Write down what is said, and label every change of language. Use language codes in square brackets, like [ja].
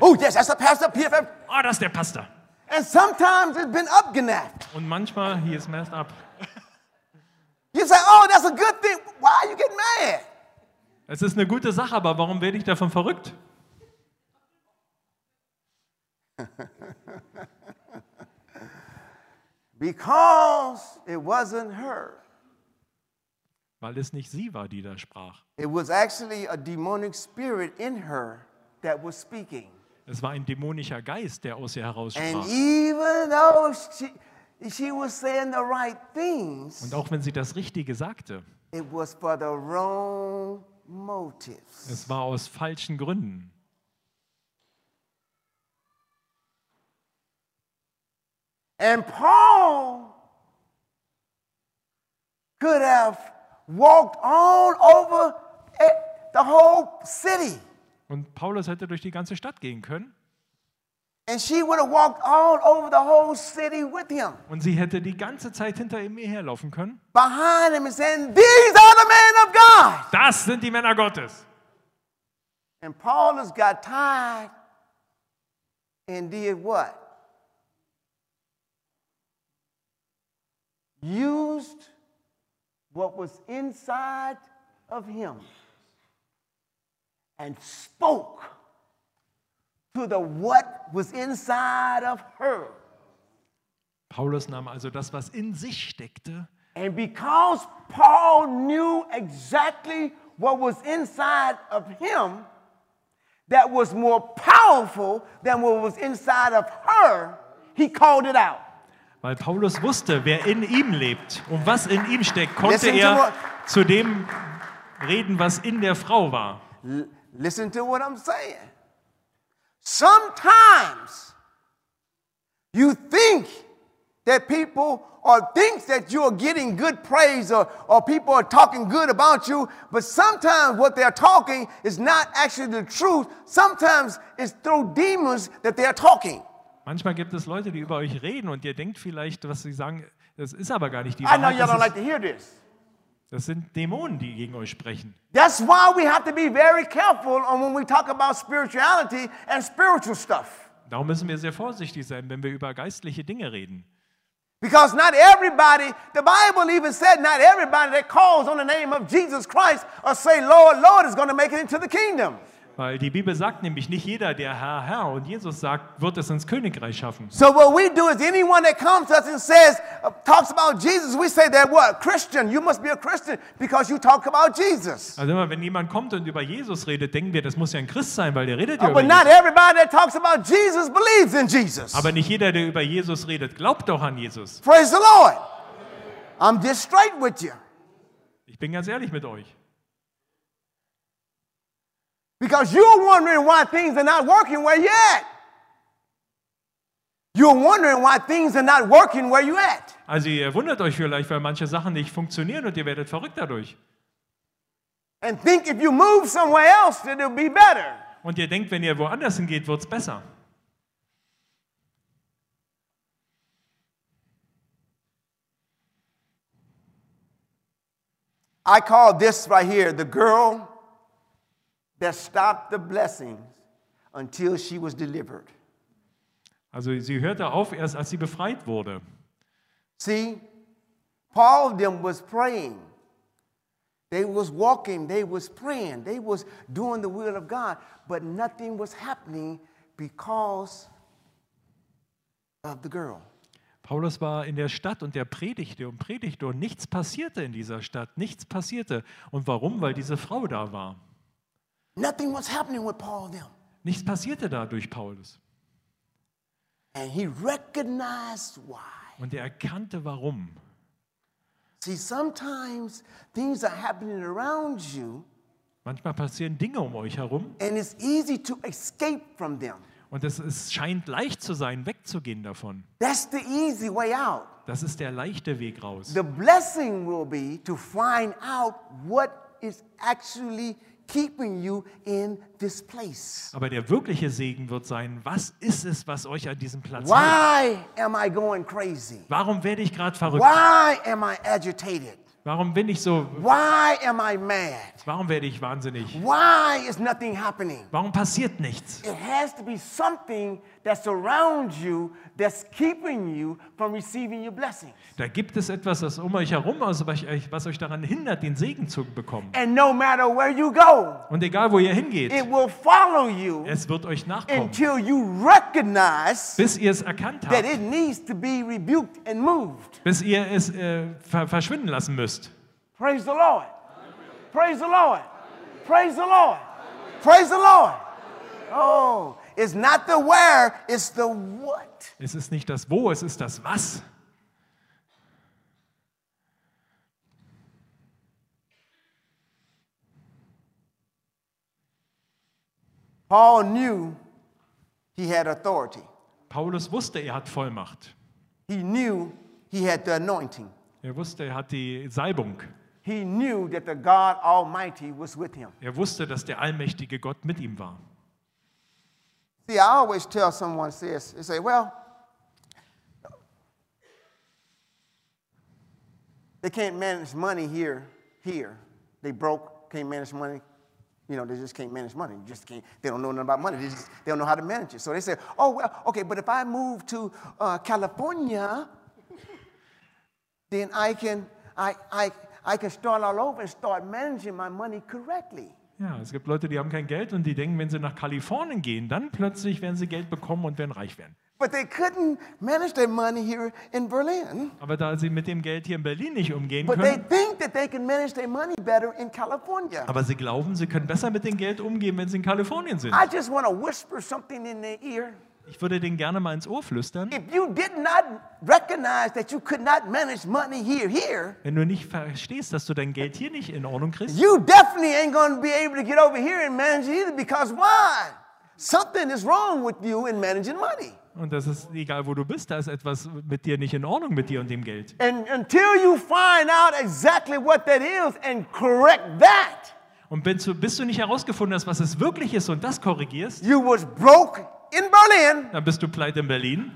[en] Oh, yes, that's the pastor of PFF. [de] Oh, das ist der Pastor. [en] And sometimes it's been abgenapped. [de] Und manchmal, [en] he is messed up. You say, oh, that's a good thing. Why are you getting mad? [de] Es ist eine gute Sache, aber warum werde ich davon verrückt? [en] Because it wasn't her. [de] Weil es nicht sie war, die da sprach. [en] It was actually a demonic spirit in her that was speaking. [de] Es war ein dämonischer Geist, der aus ihr heraus sprach. [en] And even though she was saying the right things, [de] und auch wenn sie das Richtige sagte, [en] it was for the wrong motives. [de] Es war aus falschen Gründen. [en] And Paul could have walked all over the whole city. [de] Und Paulus hätte durch die ganze Stadt gehen können. [en] And she would have walked all over the whole city with him. [de] Und sie hätte die ganze Zeit hinter ihm herlaufen können. [en] Behind him and saying, "These are the men of God." [de] Das sind die Männer Gottes. [en] And Paulus got tired and did what? Used what was inside of him and spoke to the what was inside of her. [de] Paulus nahm also das, was in sich steckte. [en] And because Paul knew exactly what was inside of him that was more powerful than what was inside of her, he called it out. [de] Weil Paulus wusste, wer in ihm lebt und was in ihm steckt, konnte er zu dem reden, was in der Frau war. [en] Listen to what I'm saying. Sometimes you think that people or thinks that you are getting good praise or people are talking good about you, but sometimes what they are talking is not actually the truth. Sometimes it's through demons that they are talking. [de] Manchmal gibt es Leute, die über euch reden und ihr denkt vielleicht, was sie sagen, das ist aber gar nicht die Wahrheit. [en] I know you don't like to hear this. [de] Das sind Dämonen, die gegen euch sprechen. [en] That's why we have to be very careful when we talk about spirituality and spiritual stuff. [de] Darum müssen wir sehr vorsichtig sein, wenn wir über geistliche Dinge reden. [en] Because not everybody, the Bible even said, not everybody that calls on the name of Jesus Christ or say, "Lord, Lord," is going to make it into the kingdom. [de] Weil die Bibel sagt nämlich, nicht jeder, der Herr, Herr und Jesus sagt, wird es ins Königreich schaffen. [en] So what we do is anyone that comes to us and says, talks about Jesus, we say that what? Christian, you must be a Christian because you talk about Jesus. [de] Also immer, wenn jemand kommt und über Jesus redet, denken wir, das muss ja ein Christ sein, weil der redet ja über Jesus. [en] But not everybody that talks about Jesus believes in Jesus. [de] Aber nicht jeder, der über Jesus redet, glaubt doch an Jesus. [en] Praise the Lord. I'm just straight with you. [de] Ich bin ganz ehrlich mit euch. [en] Because you're wondering why things are not working where you're at. You're wondering why things are not working where you're at. [de] Also ihr wundert euch vielleicht, weil manche Sachen nicht funktionieren und ihr werdet verrückt dadurch. [en] And think if you move somewhere else, then it'll be better. [de] Und ihr denkt, wenn ihr woanders hingeht, wird's besser. [en] I call this right here the girl that stopped the blessings until she was delivered. [de] Also sie hörte auf erst als sie befreit wurde. [en] See, Paul them was praying. They was walking, they was praying, they was doing the will of God, but nothing was happening because of the girl. [de] Paulus war in der Stadt und er predigte und predigte und nichts passierte in dieser Stadt, nichts passierte. Und warum? Weil diese Frau da war. [en] Nothing was happening with Paul then. [de] Nichts passierte da durch Paulus. [en] And he recognized why. [de] Und er erkannte warum. [en] See, sometimes things are happening around you. [de] Manchmal passieren Dinge um euch herum. [en] And it's easy to escape from them. [de] Und es scheint leicht zu sein, wegzugehen davon. [en] That's the easy way out. [de] Das ist der leichte Weg raus. [en] The blessing will be to find out what is actually keeping you in this place? [de] Aber der wirkliche Segen wird sein, was ist es, was euch an diesem Platz [en] Why [de] hält? [en] Am I going crazy? [de] Warum werde ich gerade verrückt? [en] Why am I agitated? [de] Warum bin ich so? [en] Why am I mad? [de] Warum werde ich wahnsinnig? [en] Why is nothing happening? [de] Warum passiert nichts? [en] It has to be something that surrounds you that's keeping you from receiving your blessings. [de] Da gibt es etwas, das um euch herum ist, was euch daran hindert, den Segen zu bekommen. [en] And no matter where you go. [de] Und egal wo ihr hingeht. [en] It will follow you. [de] Es wird euch nachkommen. [en] Until you recognize. [de] Bis ihr es erkannt habt. [en] That it needs to be rebuked and moved. [de] Bis ihr es verschwinden lassen müsst. [en] Praise the Lord. Praise the Lord. Praise the Lord. Praise the Lord. Oh, it's not the where, it's the what. [de] Es ist nicht das wo, es ist das was. [en] Paul knew he had authority. [de] Paulus wusste, er hat Vollmacht. [en] He knew he had the anointing. [de] Er wusste, er hat die Salbung. [en] He knew that the God Almighty was with him. [de] Er wusste, dass der allmächtige Gott mit ihm war. [en] See, I always tell someone this. They say, well, they can't manage money here. They broke, can't manage money. You know, they just can't manage money. You just can't. They don't know nothing about money. They don't know how to manage it. So they say, oh, well, okay, but if I move to California, then I can start all over and start managing my money correctly. [de] Ja, es gibt Leute, die haben kein Geld und die denken, wenn sie nach Kalifornien gehen, dann plötzlich werden sie Geld bekommen und werden reich werden. [en] But they couldn't manage their money here in Berlin. [de] Aber da sie mit dem Geld hier in Berlin nicht umgehen [en] but [de] können. [en] But they think that they can manage their money better in California. [de] Aber sie glauben, sie können besser mit dem Geld umgehen, wenn sie in Kalifornien sind. [en] I just want to whisper something in their ear. [de] Ich würde den gerne mal ins Ohr flüstern. [en] If you did not recognize that you could not manage money here, [de] wenn du nicht verstehst, dass du dein Geld hier nicht in Ordnung kriegst, [en] you definitely ain't gonna be able to get over here and manage it either, because why? Something is wrong with you in managing money. [de] Und das ist egal, wo du bist, da ist etwas mit dir nicht in Ordnung, mit dir und dem Geld. [en] And until you find out exactly what that is and correct that. [de] Und bis du nicht herausgefunden hast, was es wirklich ist und das korrigierst, [en] you was broke. In Berlin. [de] Dann bist du pleite in Berlin.